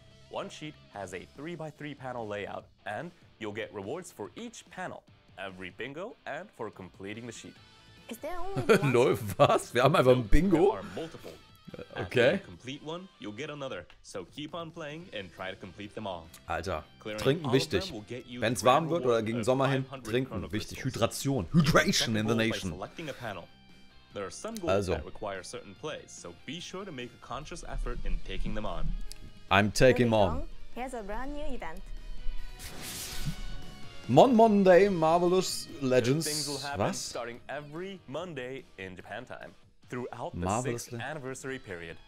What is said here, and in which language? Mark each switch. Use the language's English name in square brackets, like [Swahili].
[English] One sheet has a 3x3 panel layout, and you'll get rewards for each panel. Every bingo and for completing the sheet. Is there only one? [German] Lol, was? Wir haben einfach ein Bingo? [English] There are multiple. Okay. After a complete one, you'll get another. So keep on playing and try to complete them all. [German] Alter, trinken wichtig. Wenn es warm wird oder gegen Sommer hin, trinken wichtig. [English] Hydration. Hydration in the nation. There are some goals that require certain plays, so be sure to make a conscious effort in taking them on. I'm taking them on. Here's a brand new event. Mon Monday Marvelous Legends. Was? Every Monday in Japan time, throughout the Marvelous anniversary period.